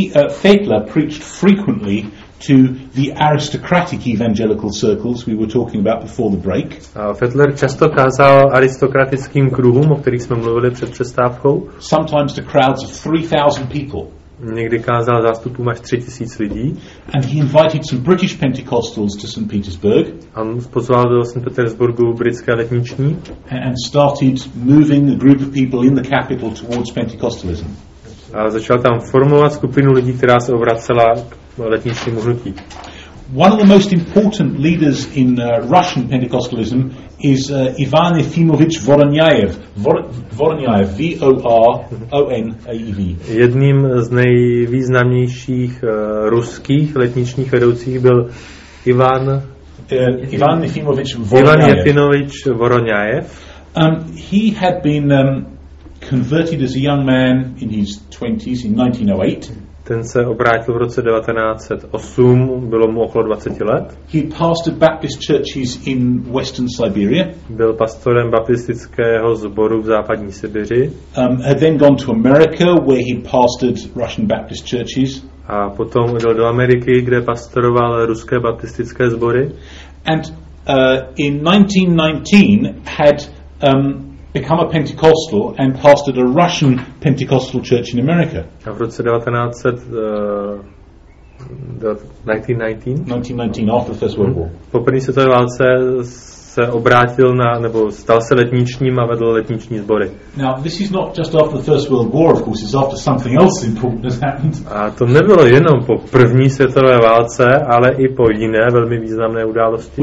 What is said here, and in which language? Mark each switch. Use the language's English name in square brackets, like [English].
[English] Faitler preached frequently to the aristocratic evangelical circles we were talking about before the break. [Czech] Faitler často kázal aristokratickým kruhům, o kterých jsme mluvili před přestávkou. [English] Sometimes to crowds of 3,000 people. [Czech] Někdy kázal zástupům až 3,000 lidí. [English] And he invited some British Pentecostals to St. Petersburg. [Czech] On pozval do St. Petersburgu britské letniční. [English] And started moving a group of people in the capital towards Pentecostalism. [Czech] A začal tam formovat skupinu lidí, která se obracela k letničnímu hnutí. [English] One of the most important leaders in Russian Pentecostalism is Ivan Efimovich Voronyaev. Voronyaev, V-O-R-O-N-A-E-V. [Czech] Jedním z nejvýznamnějších ruských letničních vedoucích byl Ivan Efimovich Voronyaev. [English] He had been converted as a young man in his 20s in 1908. [Czech] Ten se obrátil v roce 1908, bylo mu okolo 20 let. [English] He pastored Baptist churches in Western Siberia. [Czech] Byl pastorem baptistického sboru v západní Sibiři. [English] Had then gone to America, where he pastored Russian Baptist churches. [Czech] A potom odjel do Ameriky, kde pastoroval ruské baptistické sbory. [English] And in 1919 had become a Pentecostal and pastored a Russian Pentecostal church in America. [Czech] A v roce 1919 [English] after the First World War. [Czech] Po první světové válce se obrátil na nebo stal se letničním a vedl letniční sbory. [English] Now this is not just after the First World War, of course, it's after something else important has happened. [Czech] A to nebylo jenom po první světové válce, ale i po jiné velmi významné události.